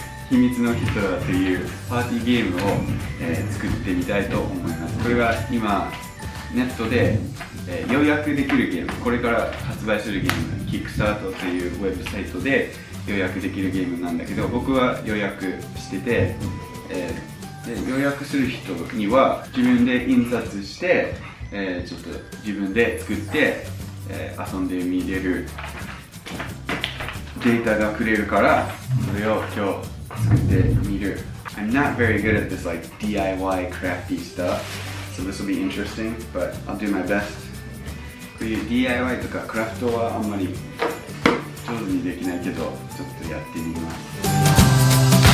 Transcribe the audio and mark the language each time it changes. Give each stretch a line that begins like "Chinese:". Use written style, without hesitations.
Japanese: 秘密のヒトラーというパーティーゲームを、作ってみたいと思います。これは今ネットで、予約できるゲーム、これから発売するゲーム、キックスタートというウェブサイトで予約できるゲームなんだけど、僕は予約してて、で予約する人には自分で印刷して、ちょっと自分で作って、遊んでみれるデータがくれるから、それを今日meter.
English: I'm not very good at this like DIY crafty stuff, so this will be interesting, but I'll do my best.
Japanese: こういう DIY とかクラフトはあんまり上手にできないけど、ちょっとやってみます。